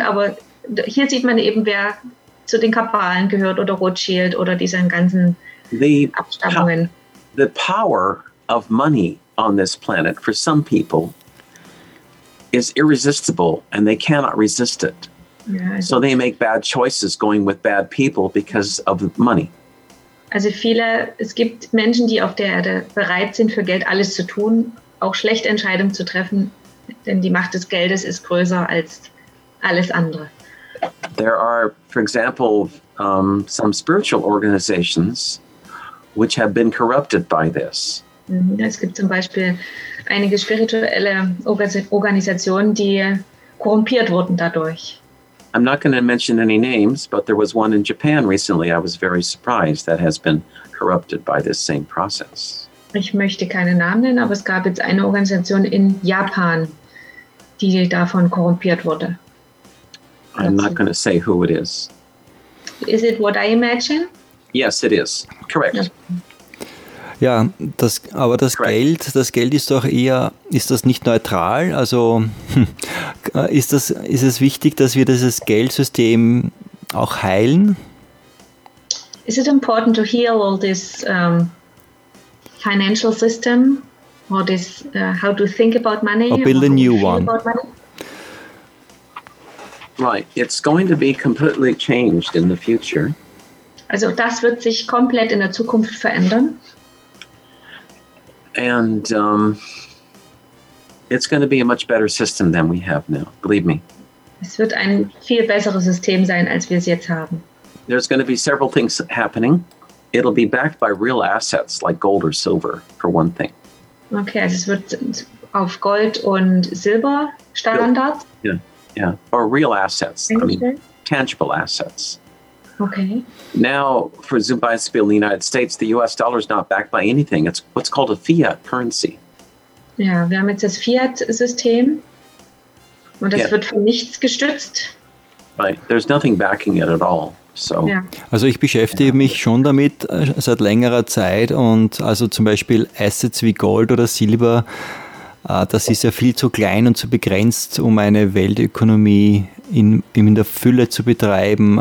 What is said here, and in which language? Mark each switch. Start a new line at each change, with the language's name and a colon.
German: Aber hier sieht man eben, wer zu den Kabalen gehört oder Rothschild oder diesen ganzen Abstammungen.
English: The power of money on this planet for some people is irresistible, and they cannot resist it. So they make bad choices going with bad people because of money.
German: Also viele, es gibt Menschen, die auf der Erde bereit sind, für Geld alles zu tun, auch schlechte Entscheidungen zu treffen, denn die Macht des Geldes ist größer als alles andere.
English: There are, for example, some spiritual organizations which have been corrupted by this.
German: Es gibt zum Beispiel einige spirituelle Organisationen, die korrumpiert wurden dadurch.
English: I'm not going to mention any names, but there was one in Japan recently, I was very surprised, that has been corrupted by this same process.
German: Ich möchte keine Namen nennen, aber es gab jetzt eine Organisation in Japan, die davon korrumpiert wurde.
English: I'm not going to say who it is. Is it what I imagine? Yes, it is. Correct. Okay.
German: Ja, das Geld ist doch eher, ist das nicht neutral? Also ist es wichtig, dass wir dieses Geldsystem auch heilen?
English: Is it important to heal all this financial system or this how to think about money? Or build a new one. Right, it's going to be completely changed in the future.
German: Also das wird sich komplett in der Zukunft verändern.
English: And it's going to be a much better system than we have now, believe me.
German: Es wird ein viel besseres System sein, als wir es jetzt haben.
English: There's going to be several things happening. It'll be backed by real assets like gold or silver, for one thing.
German: Okay, also es wird auf Gold und Silber Standard.
English: Yeah, or real assets, I mean, tangible assets. Okay. Now, for example, in the United States, the U.S. dollar is not backed by anything. It's what's called a fiat currency.
German: Ja, wir haben jetzt das Fiat-System, und das wird von nichts gestützt.
English: Right, there's nothing backing it at all. So. Ja.
German: Also ich beschäftige mich schon damit seit längerer Zeit, und also zum Beispiel Assets wie Gold oder Silber, das ist ja viel zu klein und zu begrenzt, um eine Weltökonomie in der Fülle zu betreiben.